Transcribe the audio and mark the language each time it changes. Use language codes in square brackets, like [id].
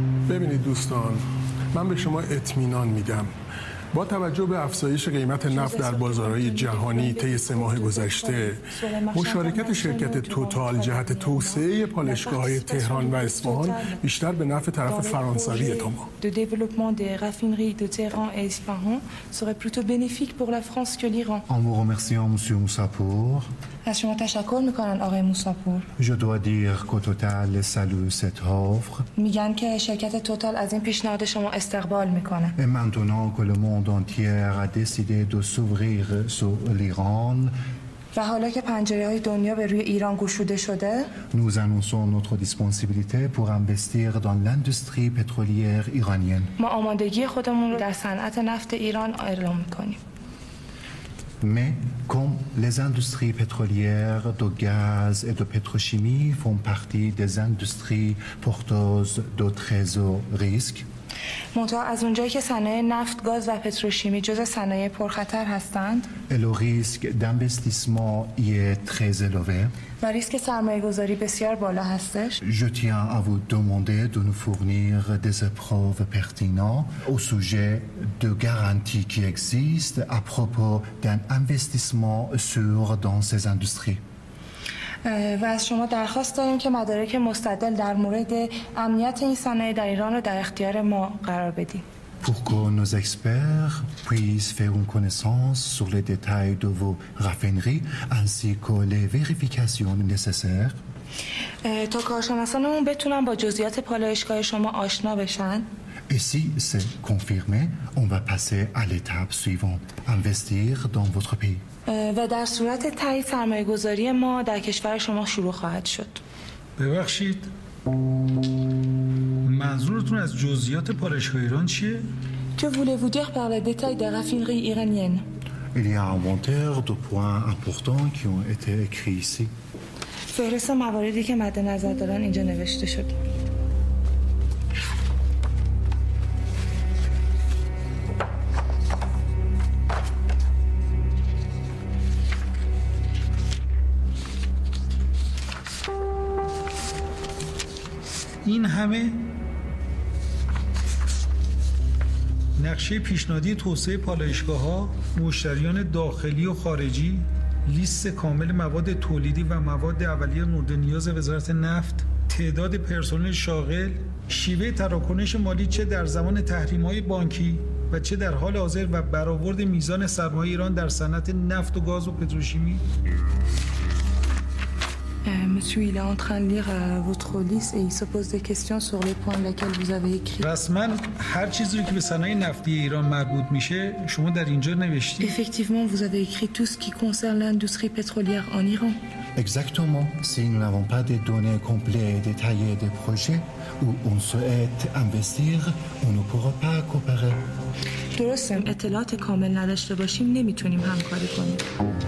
[fa] ببینید دوستان، من به شما اطمینان میدم با توجه به افزایش قیمت نفت در بازارهای جهانی طی 3 ماه گذشته، مشارکت شرکت توتال جهت توسعه پالایشگاه‌های تهران و اصفهان بیشتر به نفع طرف فرانسوی تا ما. [fr] De développement des raffineries de Téhéran et Isfahan serait plutôt bénéfique pour la France que l'Iran. En vous remerciant monsieur Moussapour. [fa] از شما تشکر میکنن آقای موساپور. [fr] Je dois dire que Total salue cette offre. [fa] میگن که شرکت توتال از این پیشنهاد شما استقبال میکنه. [fr] Et maintenant que le monde entier a décidé de s'ouvrir sur l'Iran. [fa] و حالا که پنجره‌های دنیا به روی ایران گشوده شده. [fr] Nous annonçons notre disponibilité pour investir dans l'industrie pétrolière iranienne. [fa] ما آمادگی خودمون رو در صنعت نفت ایران اعلام میکنیم. [fr] Mais comme les industries pétrolières, de gaz et de pétrochimie font partie des industries porteuses de très hauts risques. [fa] منتها از اونجایی که صنایع نفت، گاز و پتروشیمی جزء صنایع پرخطر هستند، [fr] le risque d'investissement y est très élevé. [fa] و ریسک سرمایه‌گذاری بسیار بالا هستش. [fr] Je tiens à vous demander de nous fournir des preuves pertinentes au sujet de garanties qui existent à propos d'un investissement sûr dans ces industries. [fa] و از شما درخواست داریم که مدارک مستدل در مورد امنیت این صنایع در ایران رو در اختیار ما قرار بدید. [fr] Pour que nos experts puissent faire une connaissance sur les détails de vos raffineries ainsi que les vérifications nécessaires. [fa] تا کارشناسانمون بتونن با جزئیات پالایشگاه شما آشنا بشن. [fr] Et si c'est confirmé, on va passer à l'étape suivante, investir dans votre pays. [fa] و در صورت تایید سرمایه‌گذاری ما در کشور شما شروع خواهد شد. ببخشید، منظورتون از جزئیات پالایشگاه ایران چیه؟ [fr] Que voulez-vous dire par les détails des raffineries iraniennes? Il y a un inventaire de points importants qui ont été écrits ici. [fa] فهرست مواردی که مد نظر دارن اینجا نوشته شده. این همه نقشه پیشنهادی توسعه پالایشگاه ها، مشتریان داخلی و خارجی، لیست کامل مواد تولیدی و مواد اولیه مورد نیاز وزارت نفت، تعداد پرسنل شاغل، شیوه تراکنش مالی چه در زمان تحریم های بانکی و چه در حال حاضر و برآورد میزان سرمایه ایران در صنعت نفت و گاز و پتروشیمی. [fr] Monsieur, il est en train de lire votre liste et il se pose des questions sur les points lesquels vous avez écrit. [fa] رسماً هر چیزی که به صنایع نفتی ایران مربوط میشه شما در اینجا نوشتید. [fr] Effectivement, vous avez écrit tout ce qui concerne l'industrie pétrolière en Iran. Exactement. Si nous n'avons pas des données complètes et détaillées des projets où on souhaite investir, on ne pourra pas coopérer. [fa] درسته، اطلاعات کامل نداشته باشیم نمیتونیم همکاری کنیم.